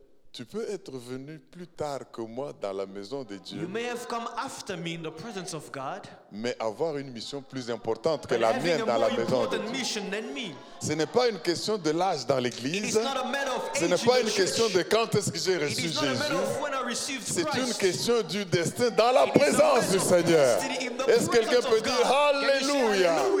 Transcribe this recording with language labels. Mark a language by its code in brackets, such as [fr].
[fr] Tu peux être venu plus tard que moi dans la maison de Dieu. [en] You may have come after me in the presence of God. [fr] Mais avoir une mission plus importante que la mienne dans la maison de Dieu. Ce n'est pas une question de l'âge dans l'église. Ce n'est pas une question de quand est-ce que j'ai reçu Jésus. C'est une question du destin dans la présence du Seigneur. Est-ce que quelqu'un peut dire alléluia?